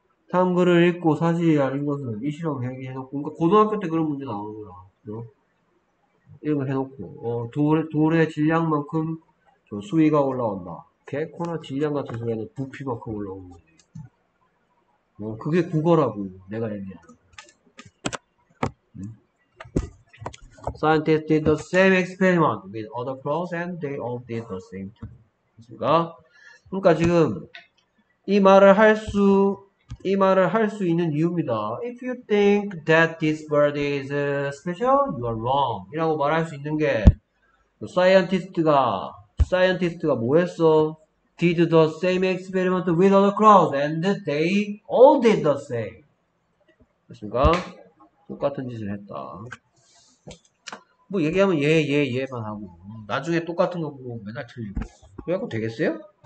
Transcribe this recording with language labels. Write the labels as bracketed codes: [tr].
[ko] 다음 글을 읽고 사실이 아닌 것을 미시라고 얘기해놓고, 그러니까 고등학교 때 그런 문제 나오는 거야. 이런 거 해놓고, 돌의 질량만큼 수위가 올라온다. 개코나 질량 같은 소리는 부피만큼 올라오는 거지. 그게 국어라고, 내가 얘기하는 거야. [en] Scientists did the same experiment with other crops and they all did the same too. [ko] 그러니까 지금 이 말을 할수 있는 이유입니다. [en] If you think that this bird is special, you are wrong. [ko] 이라고 말할 수 있는 게 scientist가 뭐 했어? [en] Did the same experiment with other crops and they all did the same. [ko] 됐습니까? 똑같은 짓을 했다. 뭐 얘기하면 얘만 하고 나중에 똑같은 거 보고 맨날 틀리고 그래갖고 되겠어요?